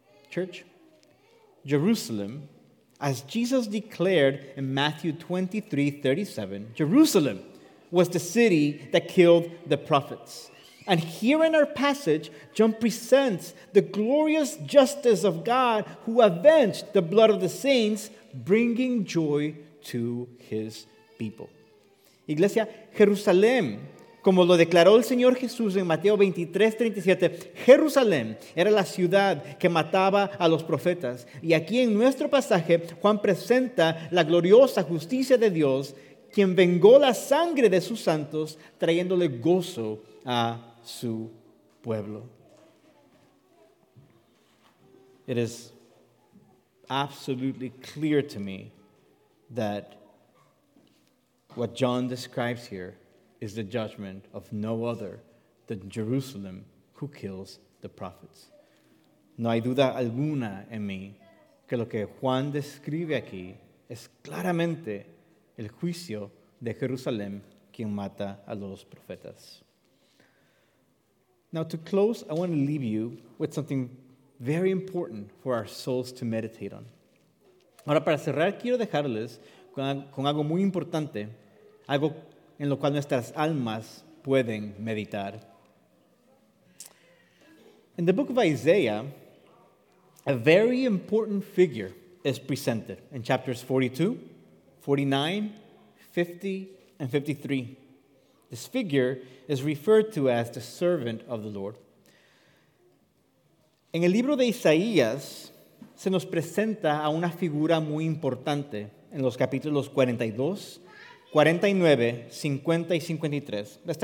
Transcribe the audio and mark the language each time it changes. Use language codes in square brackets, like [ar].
[en] Church, Jerusalem, as Jesus declared in Matthew 23:37, Jerusalem was the city that killed the prophets. And here in our passage, John presents the glorious justice of God who avenged the blood of the saints, bringing joy to his people. [es] Iglesia, Jerusalén, como lo declaró el Señor Jesús en Mateo 23:37, Jerusalén era la ciudad que mataba a los profetas. Y aquí en nuestro pasaje, Juan presenta la gloriosa justicia de Dios, quien vengó la sangre de sus santos, trayéndole gozo a su pueblo. [en] It is absolutely clear to me that what John describes here is the judgment of no other than Jerusalem who kills the prophets. [es] No hay duda alguna en mí que lo que Juan describe aquí es claramente el juicio de Jerusalén quien mata a los profetas. [en] Now, to close, I want to leave you with something very important for our souls to meditate on. [es] Ahora, para cerrar, quiero dejarles con algo muy importante, algo en lo cual nuestras almas pueden meditar. [en] In the book of Isaiah, a very important figure is presented in chapters 42, 49, 50, and 53. This figure is referred to as the servant of the Lord. [es] En el libro de Isaías, se nos presenta a una figura muy importante en los capítulos 42, 49, 50 y 53.